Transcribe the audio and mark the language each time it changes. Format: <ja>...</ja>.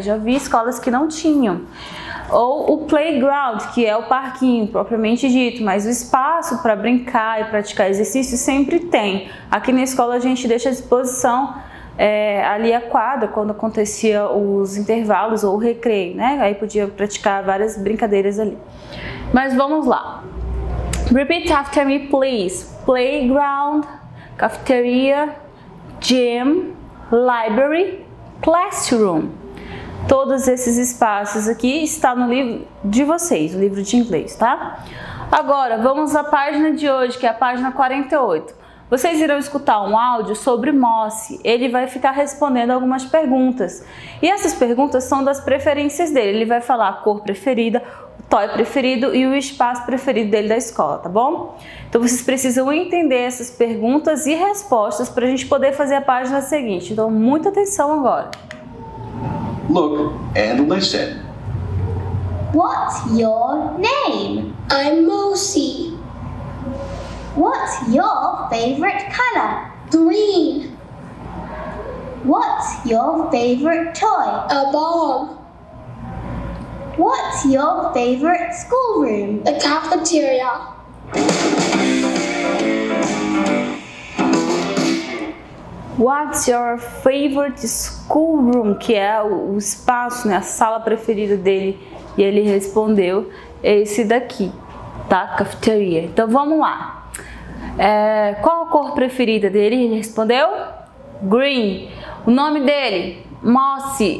<pt>Já vi escolas que não tinham. Ou o playground, que é o parquinho, propriamente dito, mas o espaço para brincar e praticar exercício sempre tem. Aqui na escola a gente deixa à disposição ali a quadra, quando acontecia os intervalos ou o recreio, né? Aí podia praticar várias brincadeiras ali. Mas vamos lá.</pt> <en>Repeat after me, please. Playground, cafeteria, gym, library, classroom.</en> <pt>Todos esses espaços aqui estão no livro de vocês, o livro de inglês, tá? Agora, vamos à página de hoje, que é a página 48. Vocês irão escutar um áudio sobre Mossy. Ele vai ficar respondendo algumas perguntas. E essas perguntas são das preferências dele. Ele vai falar a cor preferida, o toy preferido e o espaço preferido dele da escola, tá bom? Então vocês precisam entender essas perguntas e respostas para a gente poder fazer a página seguinte. Então, muita atenção agora.</pt> <en>Look and listen. What's your name? I'm Mossy. What's your favorite color? Green. What's your favorite toy? A bomb. What's your favorite schoolroom? The cafeteria. What's your favorite schoolroom?</en> <pt>Que é o espaço, né, a sala preferida dele. E ele respondeu, esse daqui, tá? Cafeteria. Então vamos lá. Qual a cor preferida dele? Ele respondeu, green. O nome dele, Mossy.</pt>